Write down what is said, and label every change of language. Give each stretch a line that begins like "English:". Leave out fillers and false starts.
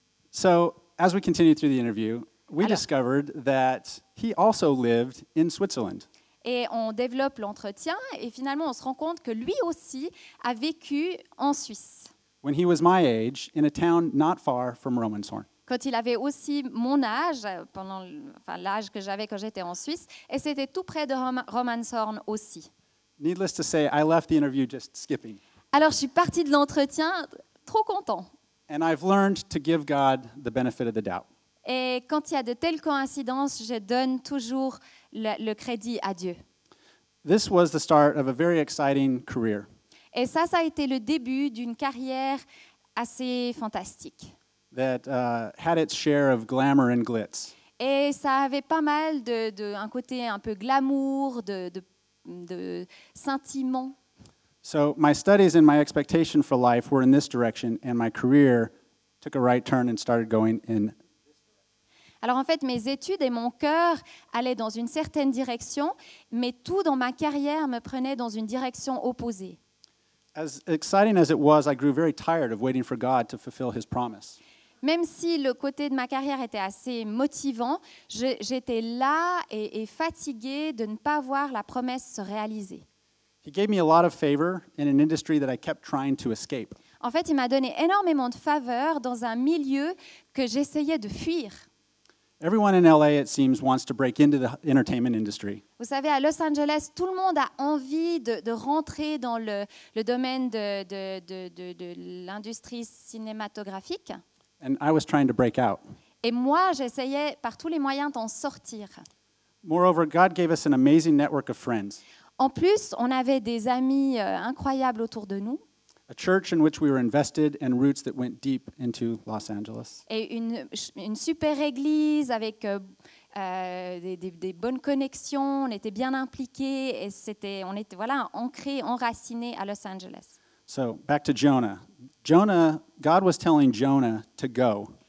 English: So, as we continued through the interview, discovered that he also lived in Switzerland.
French: Et on développe l'entretien, et finalement on se rend compte que lui aussi a vécu en Suisse.
English: When he was my age, in a town not far from Romanshorn.
French: Quand il avait aussi mon âge, l'âge que j'avais quand j'étais en Suisse, et c'était tout près de Romanshorn aussi.
English: Needless to say, I left the interview just skipping.
French: Alors je suis partie de l'entretien trop content.
English: And I've learned to give God the benefit of the doubt.
French: Et quand il y a de telles coïncidences, je donne toujours le crédit à Dieu.
English: This was the start of a very exciting career.
French: Et ça, ça a été le début d'une carrière assez fantastique.
English: That had its share of glamour and glitz.
French: Et ça avait pas mal d'un côté un peu glamour, de scintillement.
English: So my studies and my expectation for life were in this direction, and my career took a right turn and started going in.
French: Alors en fait, mes études et mon cœur allaient dans une certaine direction, mais tout dans ma carrière me prenait dans une direction opposée.
English: As exciting as it was, I grew very tired of waiting for God to fulfill His promise.
French: Même si le côté de ma carrière était assez motivant, j'étais là et fatiguée de ne pas voir la promesse se réaliser.
English: He gave me a lot of favor in an industry that I kept trying to escape.
French: En fait, il m'a donné énormément de faveur dans un milieu que j'essayais de fuir.
English: Everyone in LA, it seems, wants to break into the entertainment industry.
French: Vous savez, à Los Angeles, tout le monde a envie de rentrer dans le domaine de l'industrie cinématographique.
English: And I was trying to break out.
French: Et moi, j'essayais par tous les moyens d'en sortir.
English: Moreover, God gave us an amazing network of friends.
French: En plus, on avait des amis incroyables autour de nous.
English: A church in which we were invested and roots that went deep into Los Angeles.
French: Et une super église avec des bonnes connexions, on était bien impliqués et on était ancrés, enracinés à Los Angeles.
English: So, back to Jonah. Jonah, God was telling Jonah to go.